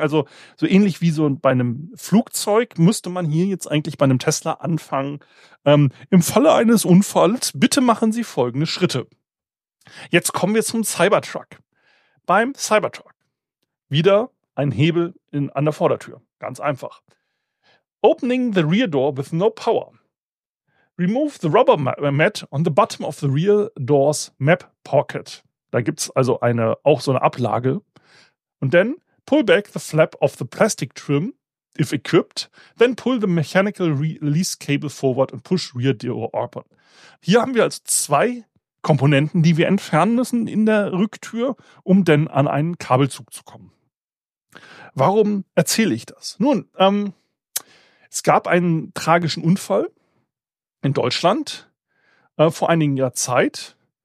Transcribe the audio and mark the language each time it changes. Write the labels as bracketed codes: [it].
[de] Also so ähnlich wie so bei einem Flugzeug müsste man hier jetzt eigentlich bei einem Tesla anfangen. Im Falle eines Unfalls, bitte machen Sie folgende Schritte. Jetzt kommen wir zum Cybertruck. Beim Cybertruck wieder ein Hebel an der Vordertür. Ganz einfach. [en] Opening the rear door with no power. Remove the rubber mat on the bottom of the rear door's map pocket. [de] Da gibt es also auch so eine Ablage. Und dann [en] pull back the flap of the plastic trim, if equipped. Then pull the mechanical release cable forward and push rear door open. [de] Hier haben wir also zwei Komponenten, die wir entfernen müssen in der Rücktür, um dann an einen Kabelzug zu kommen. Warum erzähle ich das? Nun, es gab einen tragischen Unfall in Deutschland vor einigen Jahren Zeit.